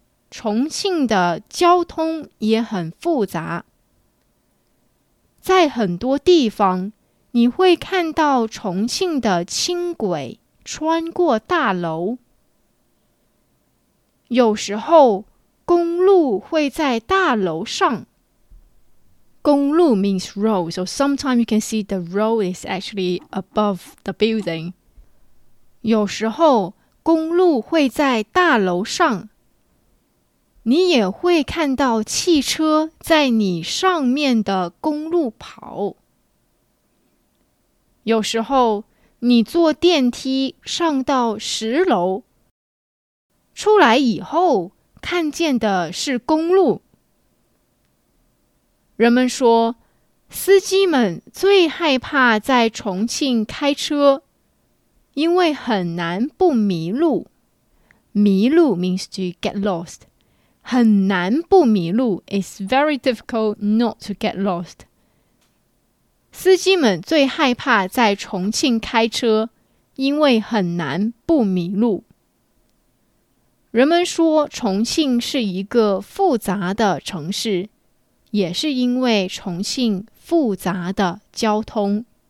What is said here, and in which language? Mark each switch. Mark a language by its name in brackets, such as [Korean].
[Chinese] 重庆的交通也很复杂，在很多地方你会看到重庆的轻轨穿过大楼，有时候公路会在大楼上。 [English] 公路 means road, so sometimes you can see the road is actually above the building. [Chinese] 有时候公路会在大楼上，你也会看到汽车在你上面的公路跑。有时候你坐电梯上到十楼，出来以后看见的是公路。人们说，司机们最害怕在重庆开车，因为很难不迷路。 [English] 迷路 means to get lost. [Chinese] 很难不迷路 [English] is very difficult not to get lost. [Chinese] 司机们最害怕在重庆开车，因为很难不迷路。人们说，重庆是一个复杂的城市，也是因为重庆复杂的交通。